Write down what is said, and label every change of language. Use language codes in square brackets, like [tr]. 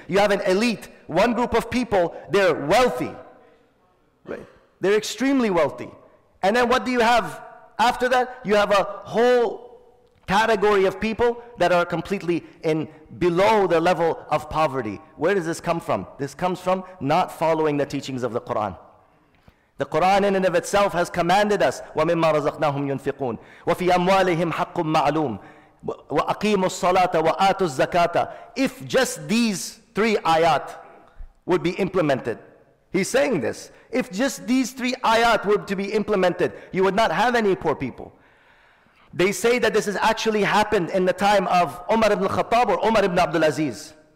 [en] You have an elite, one group of people, they're wealthy. Right? They're extremely wealthy. And then what do you have after that? You have a whole category of people that are completely in below the level of poverty. Where does this come from? This comes from not following the teachings of the Quran. The Quran in and of itself has commanded us, [ar] وَمِمَّا رَزَقْنَاهُمْ يُنْفِقُونَ وَفِي أَمْوَالِهِمْ حَقٌّ مَعْلُومٌ وَأَقِيمُوا الصَّلَاةَ وَآتُوا الزَّكَاةَ. [en] If just these three ayat would be implemented, he's saying this. If just these three ayat were to be implemented, you would not have any poor people. They say that this has actually happened in the time of Umar ibn al-Khattab or Umar ibn Abdul Aziz.